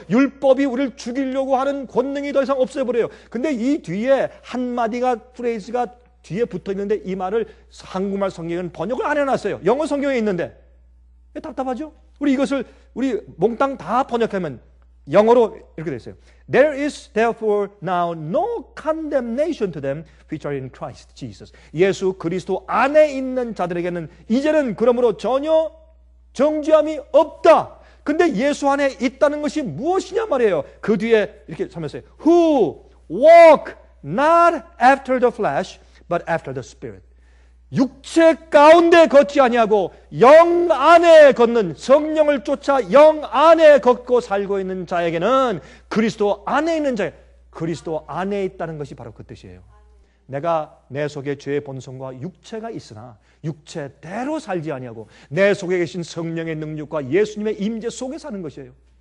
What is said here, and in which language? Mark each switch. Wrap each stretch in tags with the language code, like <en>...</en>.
<ko>율법이 우리를 죽이려고 하는 권능이 더 이상 없어버려요. 근데 이 뒤에 한마디가 프레이즈가 뒤에 붙어 있는데 이 말을 한국말 성경은 번역을 안 해놨어요. 영어 성경에 있는데 답답하죠? 우리 이것을 우리 몽땅 다 번역하면 영어로 이렇게 돼 있어요.</ko> <en>There is therefore now no condemnation to them which are in Christ Jesus.</en> <ko>예수 그리스도 안에 있는 자들에게는 이제는 그러므로 전혀 정죄함이 없다. 근데 예수 안에 있다는 것이 무엇이냐 말이에요. 그 뒤에 이렇게 설명했어요.</ko> <en>Who walk not after the flesh but after the spirit.</en> <ko>육체 가운데 걷지 아니하고 영 안에 걷는 성령을 쫓아 영 안에 걷고 살고 있는 자에게는 그리스도 안에 있는 자에 그리스도 안에 있다는 것이 바로 그 뜻이에요. 내가 내 속에 죄의 본성과 육체가 있으나 육체대로 살지 아니하고 내 속에 계신 성령의 능력과 예수님의 임재 속에 사는 것이에요.</ko>